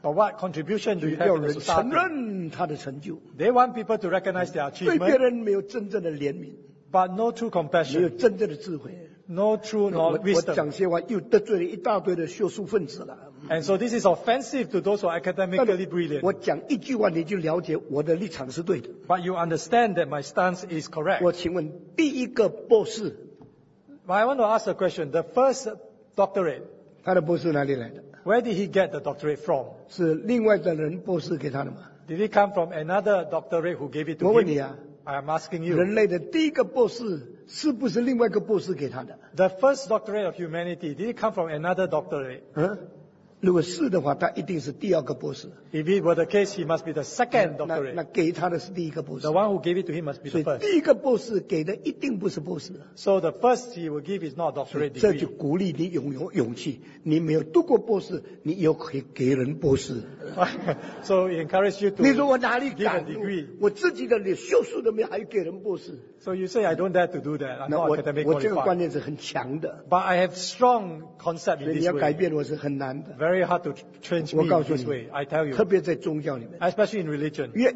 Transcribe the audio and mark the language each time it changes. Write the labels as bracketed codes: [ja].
[en] But what contribution do you have to society? [zh] 要人承认他的成就。 [en] They want people to recognize their achievement. [zh] 对别人没有真正的怜悯。 [en] But no true compassion. [zh] 没有真正的智慧。 [en] No true, no wisdom. [zh] 我讲些话又得罪了一大堆的学术分子了。 [en] And so this is offensive to those who are academically brilliant. [zh] 我讲一句话，你就了解我的立场是对的。 [en] But you understand that my stance is correct. [zh] 我请问第一个博士。 [en] But I want to ask a question. The first doctorate. [zh] 他的博士哪里来的？ [en] Where did he get the doctorate from? [zh] 是另外的人博士给他的吗？ [en] Did he come from another doctorate who gave it to [zh] 我问你啊, [en] him? [zh] 我问你啊。 [en] I am asking you. [zh] 人类的第一个博士。是不是另外一个博士给他的？ [en] The first doctorate of humanity, did it come from another doctorate? [zh] 如果是的话，他一定是第二个博士。 [en] If it were the case, he must be the second doctorate. [zh] 那给他的是第一个博士。 [en] The one who gave it to him must be the first. [zh] 第一个博士给的一定不是博士。 [en] So the first he will give is not a doctorate degree. [zh] 这就鼓励你勇气。你没有读过博士, 你又可以给人博士。 [en] So he encouraged you to [zh] 你说我哪里敢读, 我自己的学术都没有还给人博士。 [en] So you say, I don't dare to do that. I'm not academic qualified. [zh] 我这个观念是很强的。 [en] But I have strong concept in this way. [zh] 你要改变我是很难的。 [en] Very hard to change me in this way. I tell you. [zh] 特别在宗教里面, [en] especially in religion.